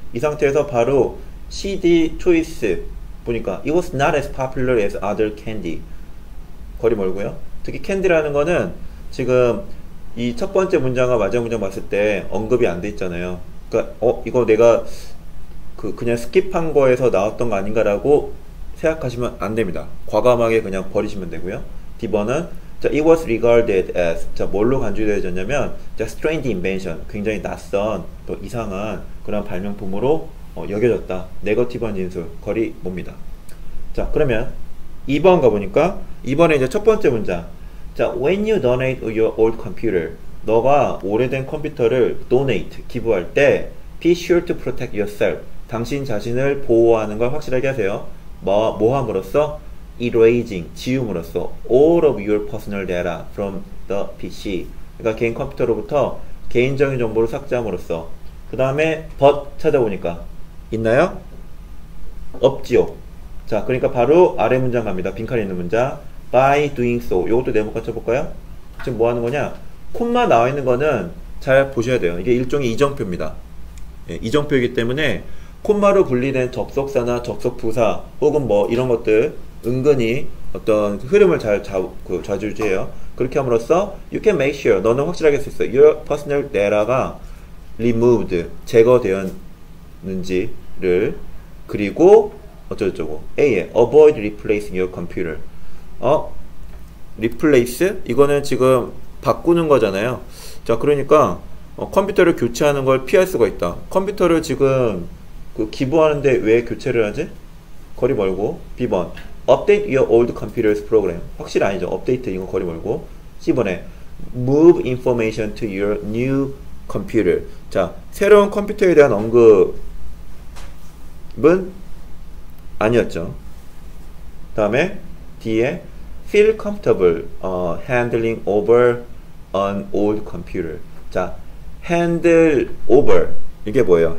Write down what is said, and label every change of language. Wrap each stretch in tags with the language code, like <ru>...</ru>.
<ko>이 상태에서 바로 CD 초이스 보니까</ko> <en>It was not as popular as other candy.</en> <ko>거리 멀고요. 특히 캔디라는 거는 지금 이 첫 번째 문장과 마지막 문장 봤을 때 언급이 안 돼 있잖아요. 이거 내가 그냥 스킵한 거에서 나왔던 거 아닌가라고 생각하시면 안 됩니다. 과감하게 그냥 버리시면 되고요. D번은 자,</ko> <en>It was regarded as</en> <ko>자, 뭘로 간주되어졌냐면 자,</ko> <en>strange invention,</en> <ko>굉장히 낯선 또 이상한 그런 발명품으로 여겨졌다. 네거티브한 진술, 거리 봅니다. 자, 그러면 2번 가보니까 2번에 이제 첫 번째 문장 자,</ko> <en>When you donate your old computer,</en> <ko>너가 오래된 컴퓨터를 donate, 기부할 때</ko> <en>be sure to protect yourself,</en> <ko>당신 자신을 보호하는 걸 확실하게 하세요. 뭐 함으로써?</ko> <en>erasing,</en> <ko>지움으로써</ko> <en>all of your personal data from the PC,</en> <ko>그러니까 개인 컴퓨터로부터 개인적인 정보를 삭제함으로써. 그 다음에 but 찾아보니까 있나요? 없지요. 자, 그러니까 바로 아래 문장 갑니다. 빈칸에 있는 문장</ko> <en>by doing so,</en> <ko>이것도 네모 갖춰볼까요? 지금 뭐 하는 거냐? 콤마 나와 있는 거는 잘 보셔야 돼요. 이게 일종의 이정표입니다. 예, 이정표이기 때문에 콤마로 분리된 접속사나 접속부사 혹은 뭐 이런 것들 은근히 어떤 흐름을 잘 좌지우지해요. 그렇게 함으로써</ko> <en>you can make sure,</en> <ko>너는 확실하게 할 수 있어.</ko> <en>your personal data가 removed,</en> <ko>제거되었는지를. 그리고 어쩌고저쩌고 A에</ko> <en>avoid replacing your computer. replace?</en> <ko>이거는 지금 바꾸는 거잖아요. 자, 그러니까 컴퓨터를 교체하는 걸 피할 수가 있다. 컴퓨터를 지금 그 기부하는데 왜 교체를 하지? 거리 멀고 B번</ko> <en>update your old computer's program.</en> <ko>확실히 아니죠.</ko> <en>update</en> <ko>이거 거리 멀고 C번에</ko> <en>move information to your new computer.</en> <ko>자, 새로운 컴퓨터에 대한 언급은 아니었죠. 다음에 D에</ko> <en>feel comfortable handling over an old computer.</en> <ko>자, handle over 이게 뭐예요?</ko>